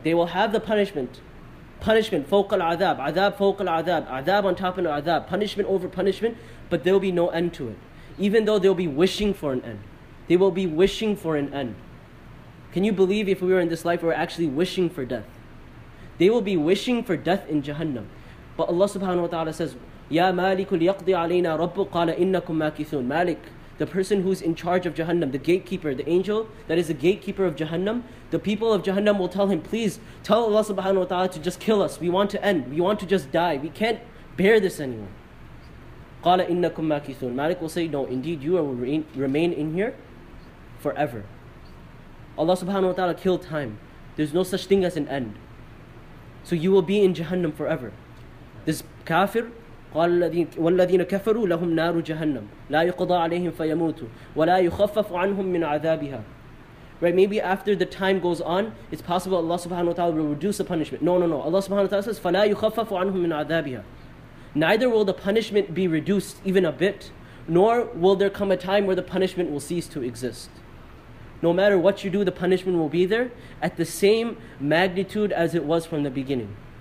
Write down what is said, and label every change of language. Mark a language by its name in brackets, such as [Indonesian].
[English] They will have the punishment. Punishment, [Arabic] فوق العذاب, عذاب فوق العذاب, [English] عذاب on top of عذاب, punishment over punishment, but there will be no end to it. Even though they'll be wishing for an end. They will be wishing for an end. Can you believe if we were in this life, we were actually wishing for death? They will be wishing for death in Jahannam. But Allah subhanahu wa ta'ala says, [Arabic] يَا مَالِكُ لِيَقْضِ عَلَيْنَا رَبُّ قَالَ إِنَّكُمْ مَاكِثُونَ. [English] Malik, the person who's in charge of Jahannam, the gatekeeper, the angel that is the gatekeeper of Jahannam, the people of Jahannam will tell him, please tell Allah subhanahu wa ta'ala to just kill us. We want to end. We want to just die. We can't bear this anymore. [Arabic] قَالَ إِنَّكُمْ مَاكِثُونَ. [English] Malik will say, no, indeed you will remain in here forever. Allah subhanahu wa ta'ala killed time. There's no such thing as an end. So you will be in Jahannam forever. This kafir, [Arabic] وَالَّذِينَ كَفَرُوا لَهُمْ نَارُ جَهَنَّمُ لَا يُقْضَى عَلَيْهِمْ فَيَمُوتُوا وَلَا يُخَفَّفُ عَنْهُمْ مِنْ عَذَابِهَا. [English] Right, maybe after the time goes on, it's possible Allah subhanahu wa ta'ala will reduce the punishment. No. Allah subhanahu wa ta'ala says, [Arabic] فَلَا يُخَفَّفُ عَنْهُمْ مِنْ عَذَابِهَا. [English] Neither will the punishment be reduced even a bit, nor will there come a time where the punishment will cease to exist. No matter what you do, the punishment will be there at the same magnitude as it was from the beginning.